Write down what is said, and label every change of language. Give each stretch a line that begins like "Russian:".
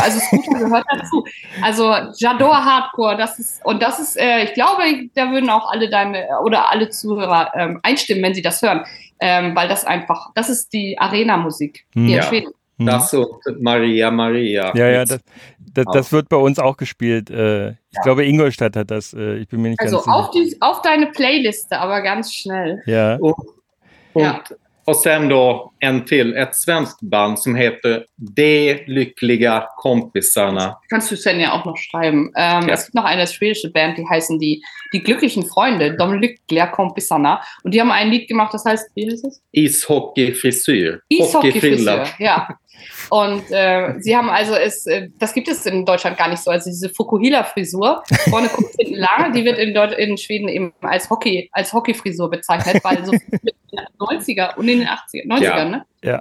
German: Also Scooter gehört dazu. Also J'adore Hardcore, das ist, ich glaube, da würden auch alle deine oder alle Zuhörer einstimmen, wenn sie das hören. Weil das einfach, das ist die Arena-Musik hier in Schweden. Das so Maria. Ja, das wird bei uns auch gespielt. Ich glaube, Ingolstadt hat das. Ich bin mir nicht ganz sicher. Also auf deine Playliste, aber ganz schnell. Ja. Und
Swedish: Och sen då en till, ett svenskt band som heter De Lyckliga Kompisarna.
German: Kannst du sen ja auch noch schreiben. Okay. Es gibt noch eine schwedische Band, die heißen die Glücklichen Freunde, De Lyckliga Kompisarna. Und die haben ein Lied gemacht, das heißt, wie heißt es? Eishockey-Frisyr. Eishockey-Frisyr, ja. Und sie haben also, das gibt es in Deutschland gar nicht so, also diese Fukuhila-Frisur, vorne kommt hinten lang, die wird in Schweden eben als Hockey-Frisur bezeichnet, weil so in den 90er und in den 80er, 90ern, ja. Ja.